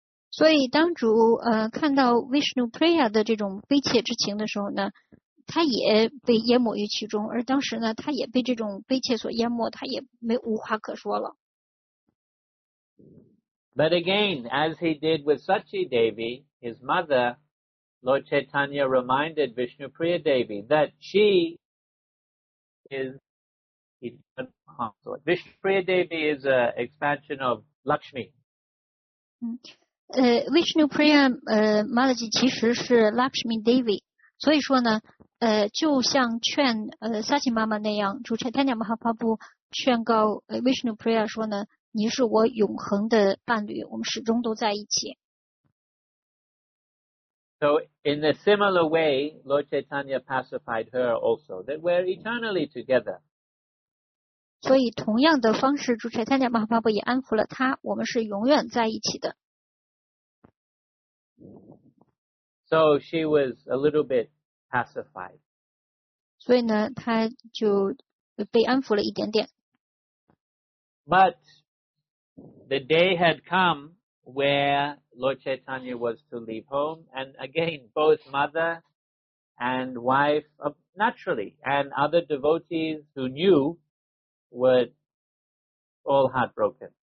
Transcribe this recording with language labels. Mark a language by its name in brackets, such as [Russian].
[Chinese] 所以当主看到 Vishnu Priya 的这种悲切之情的时候呢，他也被淹没于其中，而当时呢，他也被这种悲切所淹没，他也没无话可说了。 [English] But again, as he did with Sachi Devi, his mother,Lord Chaitanya reminded Vishnu Priya Devi that she is eternal consort. Vishnu Priya Devi is an expansion of Lakshmi. [Chinese] Vishnu Priya Mataji 其实是 Lakshmi Devi. 所以说呢，就像劝Sachi 妈妈那样，主 Chaitanya Mahaprabhu 劝告Vishnu Priya 说呢，你是我永恒的伴侣，我们始终都在一起。 [English] So in a similar way, Lord Chaitanya pacified her also, that we're eternally together. [Chinese] 所以同样的方式，主 Chaitanya Mahaprabhu 也安抚了她，我们是永远在一起的。 [English] So she was a little bit pacified. [Chinese] 所以呢，她就被安抚了一点点。 [English] But the day had come where Lord Chaitanya was to leave home. And again, both mother and wife, naturally, and other devotees who knew were all heartbroken.